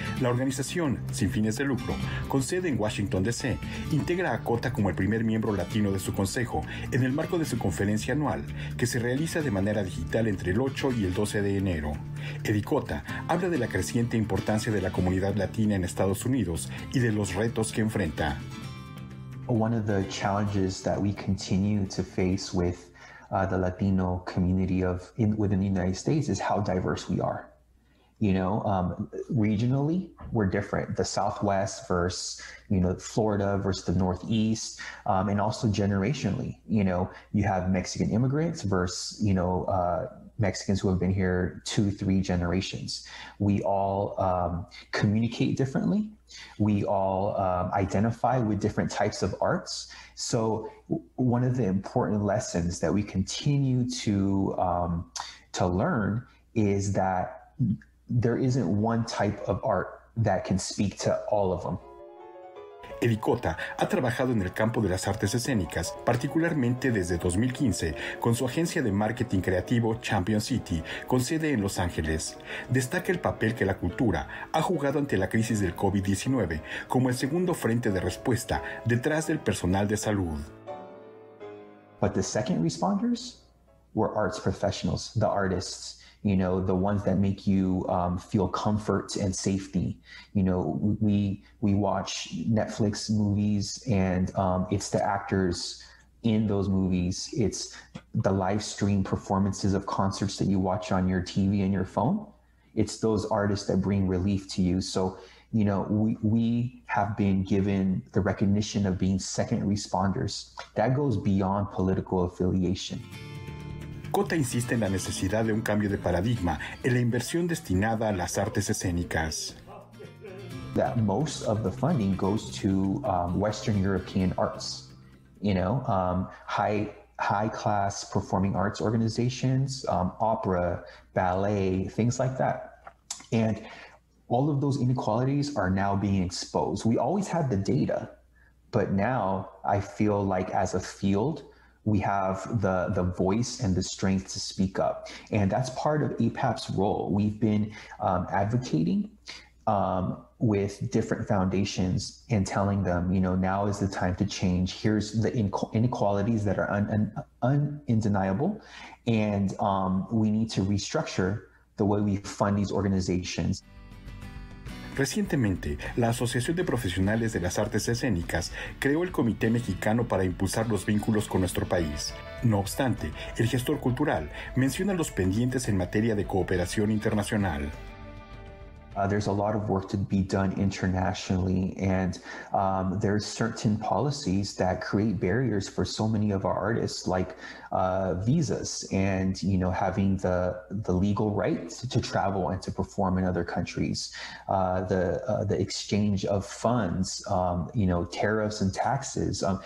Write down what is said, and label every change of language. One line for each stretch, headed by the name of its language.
Spanish: La organización, sin fines de lucro, con sede en Washington, D.C., integra a Cota como el primer miembro latino de su consejo en el marco de su conferencia anual, que se realiza de manera digital entre el 8 y el 12 de enero. Eddie Cota habla de la creciente importancia de la comunidad latina en Estados Unidos y de los retos que enfrenta.
English: One of the challenges that we continue to face with the Latino community within the United States is how diverse we are. You know, regionally, we're different. The Southwest versus, you know, Florida versus the Northeast, and also generationally, you know, you have Mexican immigrants versus, you know, Mexicans who have been here 2-3 generations. We all communicate differently. We all identify with different types of arts. So one of the important lessons that we continue to learn is that there isn't one type of art that can speak to all of them.
Spanish: Eddie Cota ha trabajado en el campo de las artes escénicas, particularmente desde 2015, con su agencia de marketing creativo Champion City, con sede en Los Ángeles. Destaca el papel que la cultura ha jugado ante la crisis del COVID-19 como el segundo frente de respuesta detrás del personal de salud.
English: But the second responders were arts professionals, the artists. You know, the ones that make you feel comfort and safety. You know, we watch Netflix movies, and it's the actors in those movies. It's the live stream performances of concerts that you watch on your TV and your phone. It's those artists that bring relief to you. So, you know, we have been given the recognition of being second responders. That goes beyond political affiliation.
Spanish: Cota insiste en la necesidad de un cambio de paradigma en la inversión destinada a las artes escénicas.
English: That most of the funding goes to Western European arts, you know, high-class performing arts organizations, opera, ballet, things like that. And all of those inequalities are now being exposed. We always had the data, but now I feel like as a field, we have the voice and the strength to speak up. And that's part of APAP's role. We've been advocating with different foundations and telling them, you know, now is the time to change. Here's the inequalities that are undeniable. And we need to restructure the way we fund these organizations.
Spanish: Recientemente, la Asociación de Profesionales de las Artes Escénicas creó el Comité Mexicano para impulsar los vínculos con nuestro país. No obstante, el gestor cultural menciona los pendientes en materia de cooperación internacional.
English: There's a lot of work to be done internationally, and there's certain policies that create barriers for so many of our artists, like visas and, you know, having the legal rights to travel and to perform in other countries, the exchange of funds, you know, tariffs and taxes.